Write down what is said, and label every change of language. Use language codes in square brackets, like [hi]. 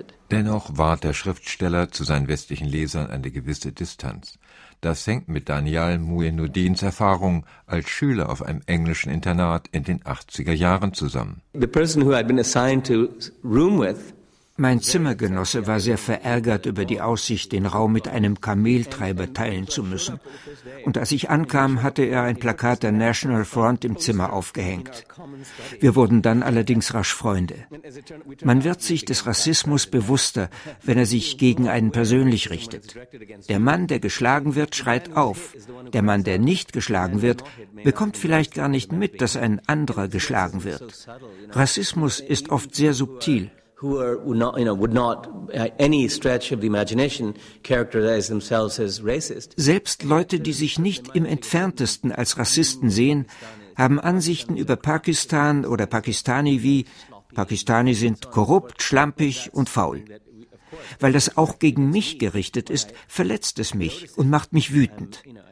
[de] Dennoch wahrt der Schriftsteller zu seinen westlichen Lesern eine gewisse Distanz. Das hängt mit Daniel Muinuddins Erfahrung als Schüler auf einem englischen Internat in den 80er Jahren zusammen. [en] The person who I'd been assigned to room with. [de] Mein Zimmergenosse war sehr verärgert über die Aussicht, den Raum mit einem Kameltreiber teilen zu müssen. Und als ich ankam, hatte er ein Plakat der National Front im Zimmer aufgehängt. Wir wurden dann allerdings rasch Freunde. Man wird sich des Rassismus bewusster, wenn er sich gegen einen persönlich richtet. Der Mann, der geschlagen wird, schreit auf. Der Mann, der nicht geschlagen wird, bekommt vielleicht gar nicht mit, dass ein anderer geschlagen wird. Rassismus ist oft sehr subtil. [en] Who are not, you know, would not any stretch of the imagination characterize themselves as racist. [de] Selbst Leute, die sich nicht im Entferntesten als Rassisten sehen, haben Ansichten über Pakistan oder Pakistani wie: Pakistani sind korrupt, schlampig und faul. Weil das auch gegen mich gerichtet ist, verletzt es mich und macht mich wütend.